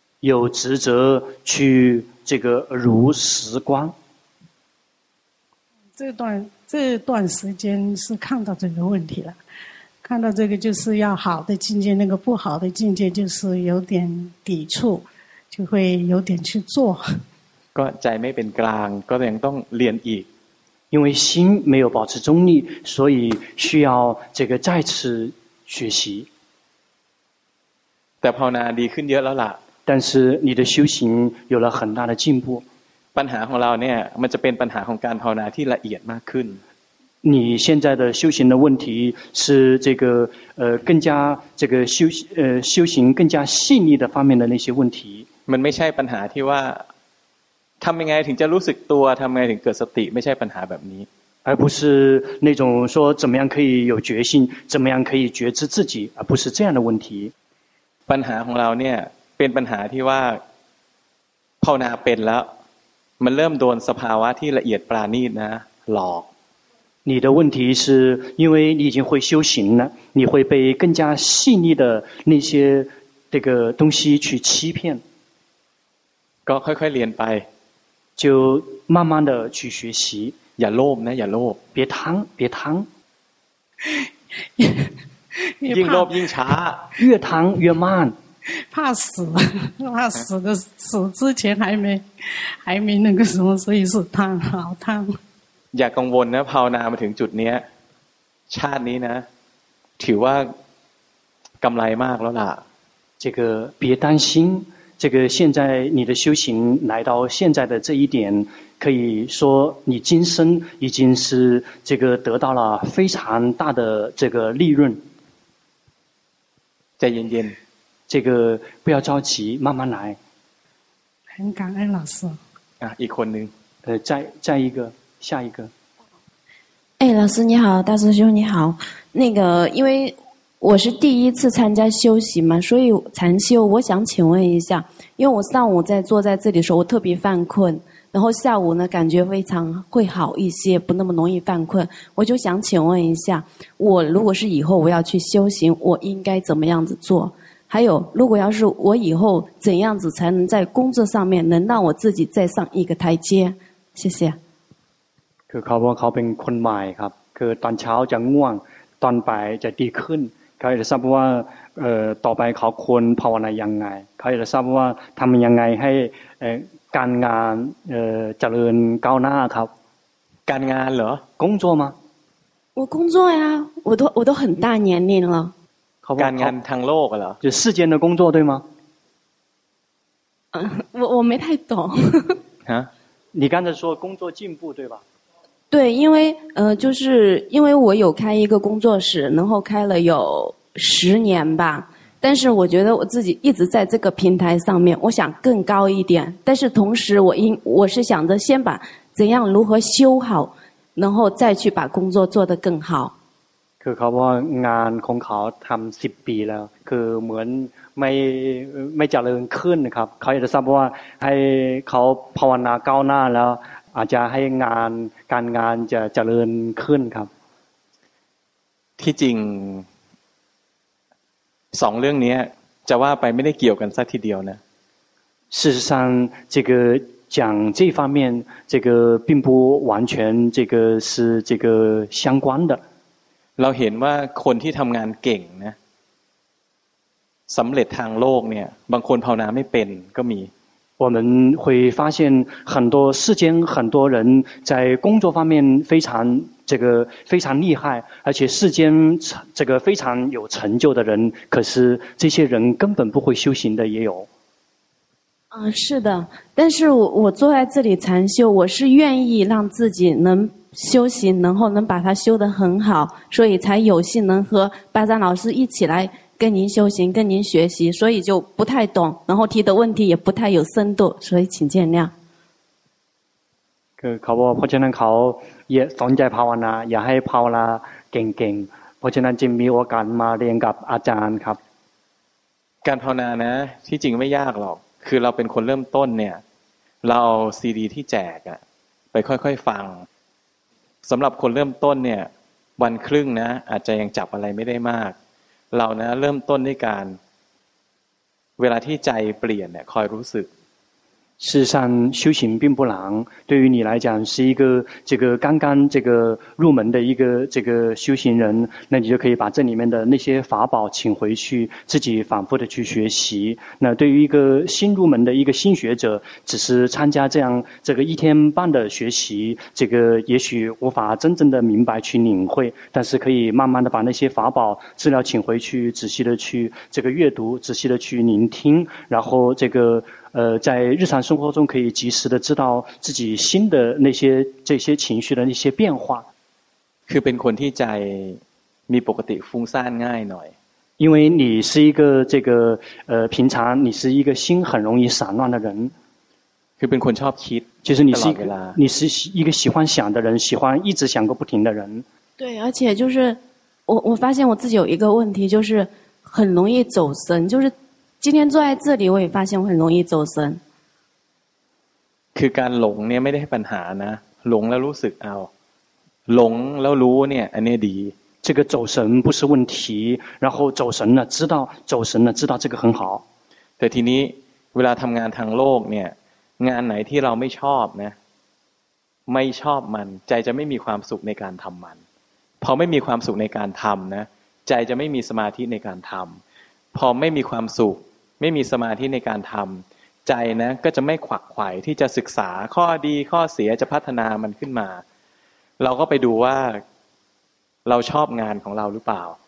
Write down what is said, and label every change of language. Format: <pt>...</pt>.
<zh>有职责去这个如实观这段时间是看到这个问题了看到这个就是要好的境界那个不好的境界就是有点抵触就会有点去做</zh> <th>ก็ใจไม่เป็นกลางก็ยังต้องเรียนอีก</th> <zh>因为心没有保持中立所以需要这个再次学习</zh> <th>แต่ภาวนาดีขึ้นเยอะแล้วล่ะ</th> <zh>但是你的修行有了很大的进步</zh> <th>ปัญหาของเราเนี่ยมันจะเป็นปัญหาของการภาวนาที่ละเอียดมากขึ้น</th> <zh>你现在的修行的问题是这个更加这个修行更加细腻的方面的那些问题</zh> <th>มันไม่ใช่ปัญหาที่ว่าทำยังไงถึงจะรู้สึกตัวทำยังไงถึงเกิดสติไม่ใช่ปัญหาแบบนี้</th> <zh>而不是那种说怎么样可以有决心怎么样可以觉知自己而不是这样的问题</zh> <th>ปัญหาของเราเนี่ยเป็นปัญหาที่ว่าภาวนาเป็นแล้วมันเริ่มโดนสภาวะที่ละเอียดปราณีตนะหลอก</th> <zh>你的问题是因为你已经会修行了你会被更加细腻的那些这个东西去欺骗</zh> <th>ก็ค่อยๆเรียนไป</th> <zh>就慢慢的去学习</zh> <th>อย่าโลภนะอย่าโลภ</th> <zh>别贪</zh> <th>ยิ่งโลภยิ่งช้า</th> <zh>越贪越慢怕死怕死的死之前还没那个什么所以是贪好贪</zh> <th>อย่ากังวลนะภาวนามาถึงจุดนี้ชาตินี้นะถือว่ากำไรมากแล้วล่ะ</th> <zh>这个别担心这个现在你的修行来到现在的这一点可以说你今生已经是这个得到了非常大的这个利润再见见这个不要着急慢慢来很感恩老师</zh> <th>啊一คนนึง</th> <zh>再一个下一个哎老师你好大师兄你好那个因为我是第一次参加修行嘛所以禅修我想请问一下因为我上午在坐在这里的时候我特别犯困然后下午呢感觉非常会好一些不那么容易犯困我就想请问一下我如果是以后我要去修行我应该怎么样子做还有如果要是我以后怎样子才能在工作上面能让我自己再上一个台阶谢谢</zh> <th>คือเขาเป็นคนใหม่ครับคือตอนเช้าจะง่วงตอนบ่ายจะดีขึ้นเขาจะทราบว่าต่อไปเขาควรภาวนายังไงเขาจะทราบว่าทำยังไงให้การงานเจริญก้าวหน้าครับ การงานเหรอ</th> <zh>工作吗我工作呀我都很大年龄了</zh> <th>การงานทางโลกเหรอ</th> <zh>就世间的工作对吗我没太懂啊你刚才说工作进步对吧对因为就是因为我有开一个工作室然后开了有十年吧但是我觉得我自己一直在这个平台上面我想更高一点但是同时我是想着先把怎样如何修好然后再去把工作做得更好</zh> <th>คือเขาว่างานของเขาทำสิบปีแล้วคือเหมือนไม่เจริญขึ้นครับเขาจะทราบว่าให้เขาภาวนาก้าวหน้าแล้วอาจจะให้งานการงานจะเจริญขึ้นครับ ที่จริงสองเรื่องนี้จะว่าไปไม่ได้เกี่ยวกันซะทีเดียวนะ</th> <zh>事实上这个讲这方面这个并不完全这个是这个相关的</zh> <th>เราเห็นว่าคนที่ทำงานเก่งนะสำเร็จทางโลกเนี่ยบางคนภาวนาไม่เป็นก็มี</th> <zh>我们会发现很多世间很多人在工作方面非常这个非常厉害，而且世间这个非常有成就的人，可是这些人根本不会修行的也有。嗯，是的，但是我坐在这里禅修，我是愿意让自己能修行，然后能把它修得很好，所以才有幸能和巴赞老师一起来跟您修行，跟您学习，所以就不太懂，然后提的问题也不太有深度，所以请见谅。 그考보포천한考也放在跑完啦，也还跑啦，更更포천한준비오간마리엔갑아잔갑</zh> <th>간파나나</th> <zh>其实没难了，</zh> <th>คือเราเป็นคนเริ่มต้นเนี่ยเราเอาซีดีที่แจกอะไปค่อยๆฟังสำหรับคนเริ่มต้นเนี่ยวันครึ่งนะอาจจะยังจับอะไรไม่ได้มากเรานะเริ่มต้นด้วยการเวลาที่ใจเปลี่ยนเนี่ยคอยรู้สึก</th> <zh>事实上修行并不难，对于你来讲是一个这个刚刚这个入门的一个这个修行人，那你就可以把这里面的那些法宝请回去，自己反复的去学习。那对于一个新入门的一个新学者，只是参加这样这个一天半的学习，这个也许无法真正的明白去领会，但是可以慢慢的把那些法宝资料请回去，仔细的去这个阅读，仔细的去聆听，然后这个在日常生活中可以及时的知道自己新的那些这些情绪的那些变化。</zh> <th>คือเป็นคนที่ใจมีปกติฟุ้งซ่านง่ายหน่อย。</th> <zh>因为你是一个这个平常你是一个心很容易散乱的人。</zh> <th>คือเป็นคนชอบคิด。</th> <zh>其实你是一个喜欢想的人，喜欢一直想个不停的人。对，而且就是我发现我自己有一个问题，就是很容易走神，就是。今天坐在这里，我也发现我很容易走神。</zh> <th>คือการหลงเนี่ยไม่ได้ปัญหานะหลงแล้วรู้สึกเอาหลงแล้วรู้เนี่ยอันนี้ดี</th> <zh>这个走神不是问题，然后走神了知道走神了知道这个很好。</zh> <th>แต่ทีนี้เวลาทำงานทางโลกเนี่ยงานไหนที่เราไม่ชอบนะไม่ชอบมันใจจะไม่มีความสุขในการทำมันพอไม่มีความสุขในการทำนะใจจะไม่มีสมาธิในการทำพอไม่มีความสุขไม่มีสมาธิในการทำใจนะก็จะไม่ขวักไขว่ที่จะศึกษาข้อดีข้อเสียจะพัฒนามันขึ้นมาเราก็ไปดูว่าเราชอบงานของเราหรือเปล่า</th>